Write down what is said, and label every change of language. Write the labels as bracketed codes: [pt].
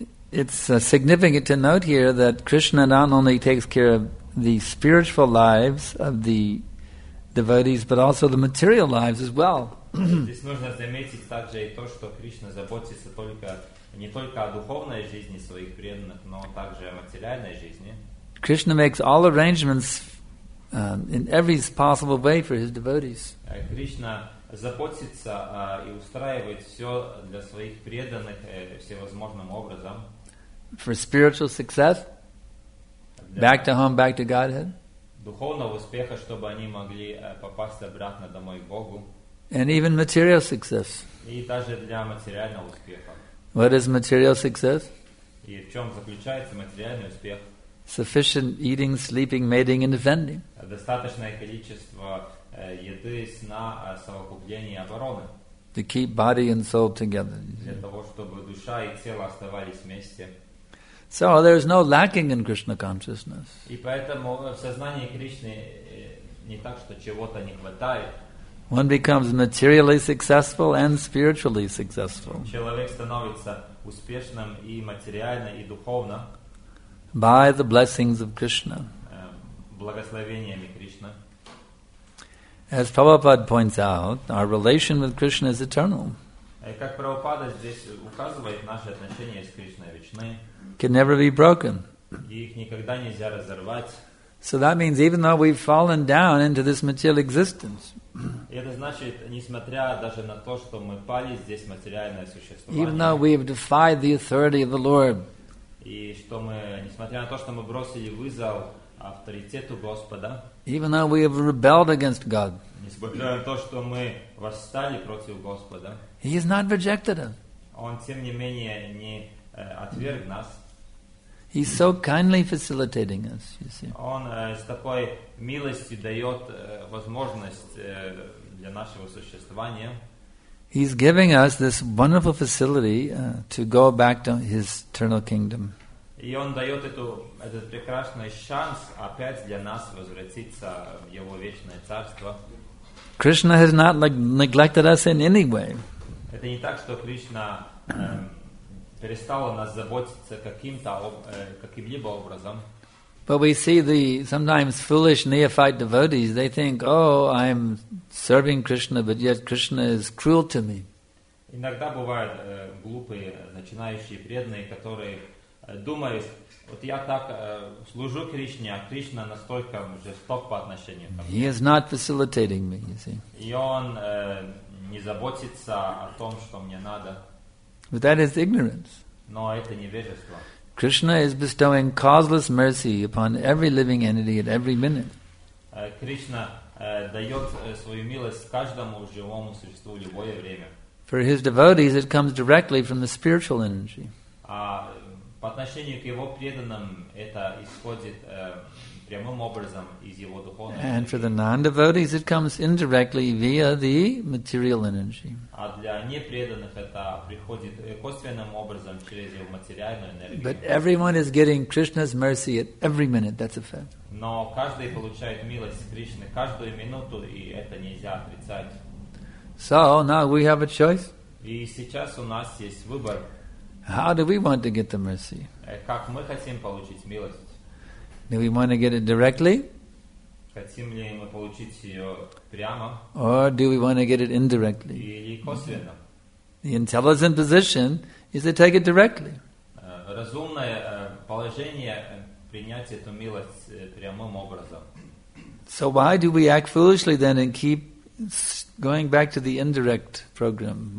[en] It's significant to note here that Krishna not only takes care of the spiritual lives of the devotees, but also the material lives as well. [ru] Здесь нужно заметить также и то, что Кришна заботится только не только о духовной жизни своих преданных, но также о материальной жизни. [en] Krishna makes all arrangements in every possible way for his devotees. [ru] Кришна заботится и устраивает все для своих преданных всевозможным образом. [en] For spiritual success, back to home, back to Godhead. [ru] Духовного успеха, чтобы они могли попасть обратно домой к Богу. [en] And even material success. [ru] И даже для материального успеха. [en] What is material success? [ru] И в чем заключается материальный успех? [en] Sufficient eating, sleeping, mating, and defending. [ru] Достаточное количество еды, сна, самокупления и обороны. [en] To keep body and soul together. [ru] Для того, чтобы душа и тело оставались вместе. [en] So there is no lacking in Krishna consciousness. [ru] И поэтому в сознании Кришны не так, что чего-то не хватает. [en] One becomes materially successful and spiritually successful. [ru] Человек становится успешным и материально, и духовно. [en] By the blessings of Krishna. [ru] Благословениями Кришны. [en] As Prabhupada points out, our relation with Krishna is eternal. [ru] Как Прабхупада здесь указывает, наши отношения с Кришной вечны. [en] Can never be broken. [ru] Их никогда нельзя разорвать. [en] So that means even though we've fallen down into this material existence, [ru] это значит, несмотря даже на то, что мы пали здесь материальное существование, [en] even though we have defied the authority of the Lord, [ru] и что мы, несмотря на то, что мы бросили вызов авторитету Господа, [en] even though we have rebelled against God, [ru] несмотря на то, что мы восстали против Господа, [en] He has not rejected us. [ru] Он, тем не менее, не отверг нас. [en] He's so kindly facilitating us, you see. [ru] Он с такой милостью дает возможность для нашего существования. [en] He's giving us this wonderful facility to go back to His eternal kingdom. [ru] И он дает этот прекрасный шанс опять для нас возвратиться в Его вечное царство. [en] Krishna has not neglected us in any way. [ru] Это не так, что Кришна перестала нас заботиться каким-либо образом. [en] But we see the sometimes foolish neophyte devotees, they think, oh, I'm serving Krishna, but yet Krishna is cruel to me. [ru] Иногда бывают глупые, начинающие преданные, которые думают, вот я так служу Кришне, а Кришна настолько жесток по отношению ко мне. [en] He is not facilitating me, you see. [ru] И он не заботится о том, что мне надо. [en] But that is ignorance. [ru] Но это невежество. [en] Krishna is bestowing causeless mercy upon every living entity at every minute. [ru] Krishna дает свою милость каждому живому существу любое время. [en] For his devotees, it comes directly from the spiritual energy. [ru] А по отношению к его преданным это исходит прямым образом из его духовной энергии. [en] And for the non-devotees, it comes indirectly via the material energy. [ru] А для непреданных это приходит косвенным образом через его материальную энергию. [en] But everyone is getting Krishna's mercy at every minute. That's a fact. [ru] Но каждый получает милость Кришны каждую минуту, и это нельзя отрицать. [en] So now we have a choice. [ru] И сейчас у нас есть выбор. [en] How do we want to get the mercy? [ru] Как мы хотим получить милость? [en] Do we want to get it directly? [ru] Хотим ли мы получить ее прямо? [en] Or do we want to get it indirectly? [ru] Или косвенно? [en] The intelligent position is to take it directly. [ru] Разумное положение принять эту милость прямым образом. [en] So why do we act foolishly then and keep going back to the indirect program?